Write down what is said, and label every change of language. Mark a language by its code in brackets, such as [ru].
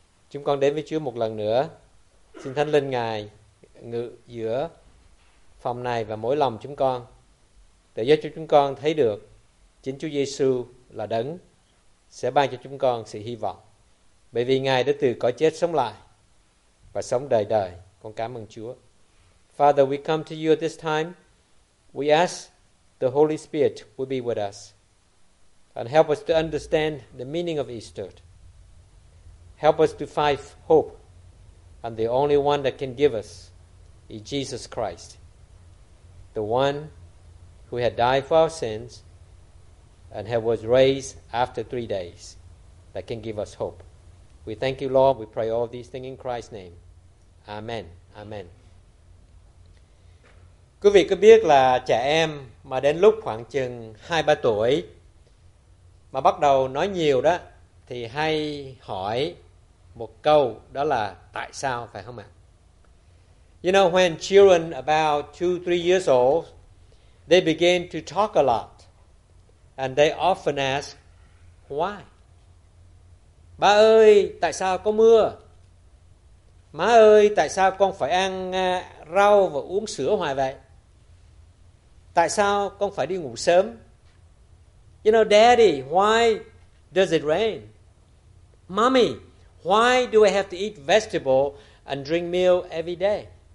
[vi] Chúng con đến với Chúa một lần nữa, xin Thánh Linh Ngài ngự giữa phòng này và mỗi lòng chúng con, để giúp cho chúng con thấy được chính Chúa Giêsu là đấng sẽ ban cho chúng con sự hy vọng, bởi vì Ngài đã từ cõi chết sống lại và sống đời đời. Con cảm ơn Chúa. [en] Father, we come to you at this time. We ask the Holy Spirit will be with us and help us to understand the meaning of Easter. Help us to find hope, and the only one that can give us is Jesus Christ, the one who had died for our sins and who was raised after 3 days, that can give us hope. We thank you, Lord. We pray all these things in Christ's name. Amen. Amen. [vi] Quý vị có biết là trẻ em mà đến lúc khoảng chừng 2-3 tuổi mà bắt đầu nói nhiều đó thì hay hỏi một câu, đó là tại sao, phải không ạ? [en] You know, when children about 2-3 years old, they begin to talk a lot and they often ask why. [vi] Ba ơi, tại sao có mưa? Má ơi, tại sao con phải ăn rau và uống sữa hoài vậy? Tại sao con phải đi ngủ sớm? [en] You know, Daddy, why does it rain? Mommy, why do I have to eat vegetable and drink milk every day?